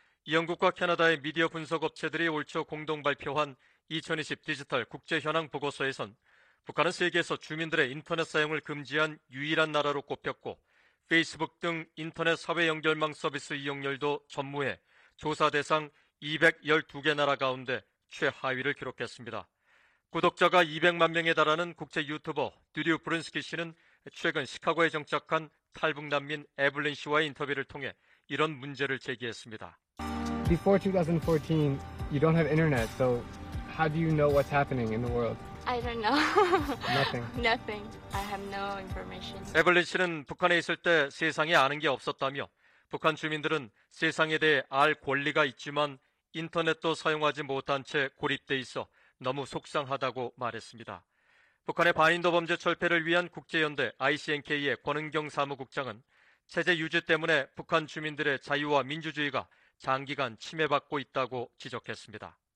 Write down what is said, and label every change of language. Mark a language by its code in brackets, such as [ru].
[ko] 영국과 캐나다의 미디어 분석 업체들이 올 초 공동 발표한 2020 디지털 국제 현황 보고서에선 북한은 세계에서 주민들의 인터넷 사용을 금지한 유일한 나라로 꼽혔고 페이스북 등 인터넷 사회 연결망 서비스 이용률도 전무해 조사 대상 212개 나라 가운데 최하위를 기록했습니다. 구독자가 200만 명에 달하는 국제 유튜버 드류 브룬스키 씨는 최근 시카고에 정착한 탈북 난민 에블린 씨와의 인터뷰를 통해 이런 문제를 제기했습니다. [en] Before 2014, you don't have internet, so how do you know what's happening in the world? I don't know. Nothing. Nothing. I have no information. [ko] 에블린 씨는 북한에 있을 때 세상에 아는 게 없었다며 북한 주민들은 세상에 대해 알 권리가 있지만 인터넷도 사용하지 못한 채 고립돼 있어 너무 속상하다고 말했습니다. 북한의 반인도 범죄 철폐를 위한 국제연대 ICNK의 권은경 사무국장은 체제 유지 때문에 북한 주민들의 자유와 민주주의가 장기간 침해받고 있다고 지적했습니다.